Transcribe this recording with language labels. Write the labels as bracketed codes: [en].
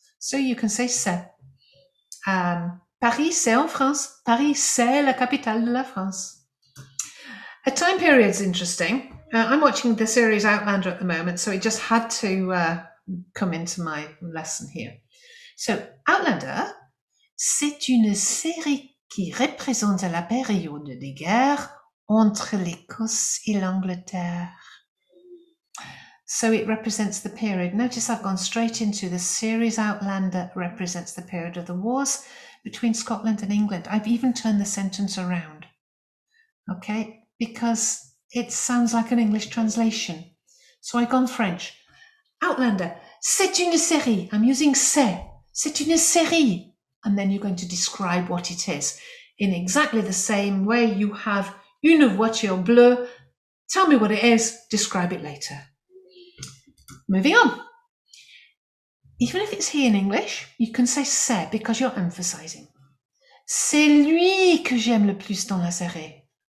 [en] So you can say c'est. [fr] Paris, c'est en France. Paris, c'est la capitale de la France. [en] A time period's interesting. I'm watching the series Outlander at the moment, so it just had to come into my lesson here. [fr] So, Outlander, c'est une série qui représente la période des guerres entre l'Écosse et l'Angleterre. [en] So it represents the period. Notice I've gone straight into the series Outlander represents the period of the wars between Scotland and England. I've even turned the sentence around. Okay, because it sounds like an English translation. So I've gone French. [fr] Outlander, c'est une série. [en] I'm using [fr] c'est une série. [en] And then you're going to describe what it is in exactly the same way you have [fr] une voiture bleue. [en] Tell me what it is, describe it later. Moving on. Even if it's he in English, you can say c'est because you're emphasizing. [fr] C'est lui que j'aime le plus dans la série.